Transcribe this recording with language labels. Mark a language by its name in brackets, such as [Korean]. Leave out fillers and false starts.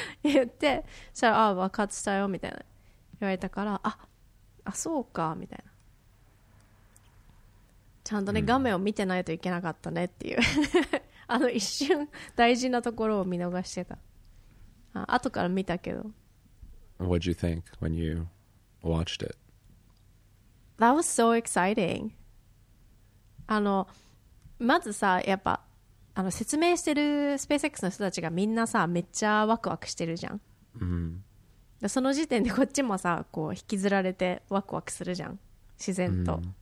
[Japanese] 言って、そしたら、あ、爆発したよ、みたいな。言われたから、あ、そうか、みたいな。ちゃんとね、画面を見てないといけなかったねっていう。あの一瞬大事なところを見逃してた。あ、後から見たけど。 [English] What did you think when you watched it? That was so exciting. [Japanese] あの、まずさ、やっぱあの説明してるスペース X の人たちがみんなさ、めっちゃワクワクしてるじゃん。で、その時点でこっちもさ、こう引きずられてワクワクするじゃん、自然と。